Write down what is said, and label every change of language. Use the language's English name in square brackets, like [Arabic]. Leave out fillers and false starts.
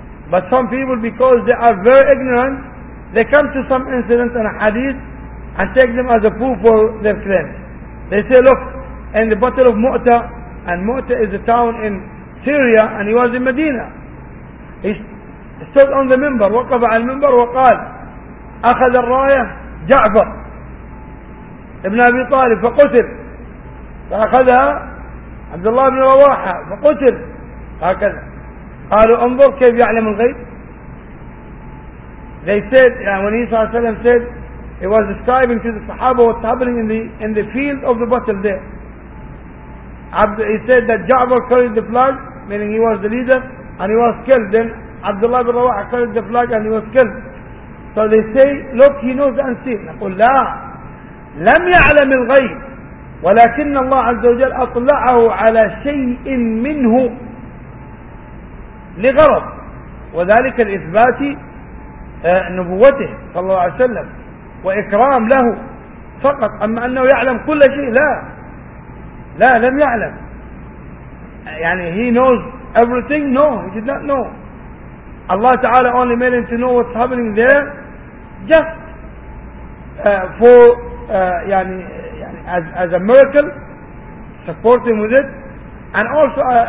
[English] But some people, because they are very ignorant, they come to some incident and a hadith and take them as a proof for their claim. They say, look, in the battle of Mu'ta, and Mu'ta is a town in Syria, and he was in Medina. He stood on the minbar, [Arabic] وقف على المنبر وقال أخذ الراية جعفر ابن أبي طالب فقتل، فأخذها عبد الله بن رواحة فقتل، هكذا. قالوا انظر كيف يعلم الغيب. [English] They said, يعني when he صلى الله عليه وسلم said, he was describing to the Sahaba what's happening in the field of the battle there. He said that Ja'far carried the flag, meaning he was the leader, and he was killed. Then Abdullah bin Rawah carried the flag and he was killed. So they say, look, he knows the unseen. [Arabic] نقول لا لم يعلم الغيب ولكن الله عز وجل أطلعه على شيء منه لغرض، وذلك الإثبات نبوته صلى الله عليه وسلم وإكرام له فقط. أما أنه يعلم كل شيء لا لم يعلم، يعني [English] he knows everything, no he did not know. Allah تعالى only made him to know what's happening there just for يعني as a miracle, support him with it, and also